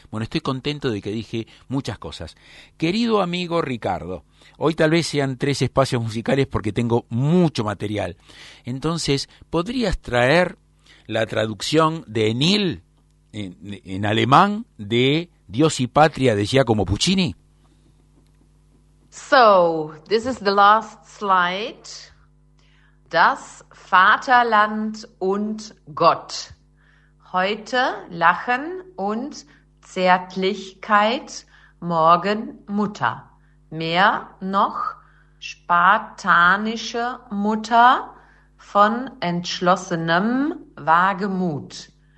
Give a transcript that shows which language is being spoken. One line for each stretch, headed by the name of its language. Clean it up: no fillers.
Spanish: Bueno, estoy contento de que dije muchas cosas. Querido amigo Ricardo, hoy tal vez sean tres espacios musicales porque tengo mucho material. Entonces, ¿podrías traer la traducción de Enil en alemán de Dios y Patria de Giacomo Puccini?
English: So, this is the last slide.
German: Das Vaterland und Gott. Heute Lachen und Zärtlichkeit, morgen Mutter. Mehr noch spartanische Mutter von entschlossenem Wagemut.